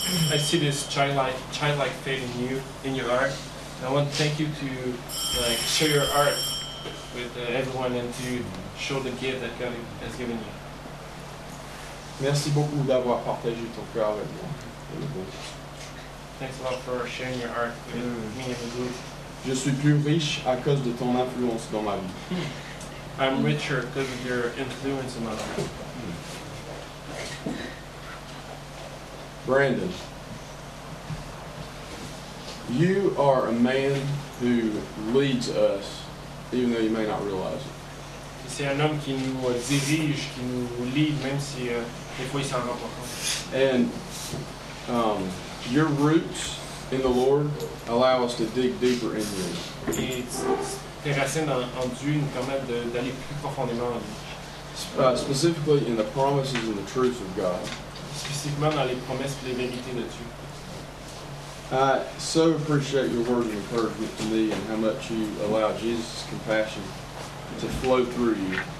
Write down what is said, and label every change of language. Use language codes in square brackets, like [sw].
[en] I see this childlike faith in you, in your heart. And I want to thank you to share your heart with everyone and to show the gift that God has given you. [fr] Merci beaucoup d'avoir partagé ton cœur avec moi. [en] Thanks a lot for sharing your heart with me and the group. [fr] Je suis plus riche à cause de ton influence dans ma vie. [en] I'm richer because of your influence in my life. Brandon, you are a man who leads us, even though you may not realize it. [fr] C'est un homme qui nous dirige, qui nous lead, même si des fois il s'en rend pas compte. [en] And your roots in the Lord allow us to dig deeper in you. [fr] Et tes racines en Dieu nous permettent d'aller plus profondément en lui. [en] Specifically in the promises and the truths of God. [fr] Spécifiquement dans les promesses et les vérités de Dieu. [en] I so appreciate your words of encouragement to me and how much you allow Jesus' compassion to flow through you.